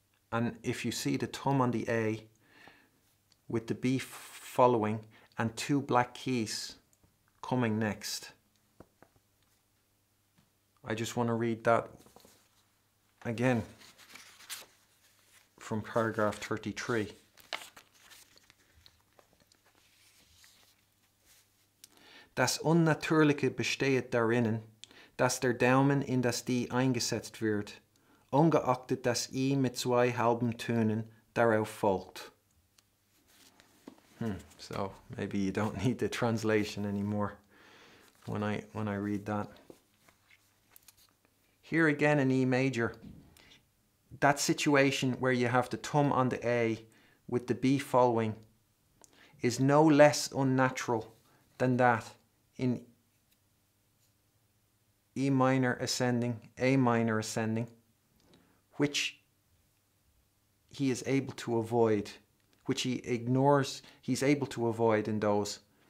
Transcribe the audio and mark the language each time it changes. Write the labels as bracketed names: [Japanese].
[English] And if you see the thumb on the A with the B following and two black keys coming next, I just want to read that again from paragraph 33. [German] Das Unnatürliche besteht darin, dass der Daumen in das D eingesetzt wird, ungeachtet das I mit zwei halben Tönen darauf folgt. [English] So maybe you don't need the translation anymore when I read that. Here again in E major, that situation where you have the thumb on the A with the B following is no less unnatural than that in E minor ascending, A minor ascending, which he is able to avoid, which he ignores, he's able to avoid in those.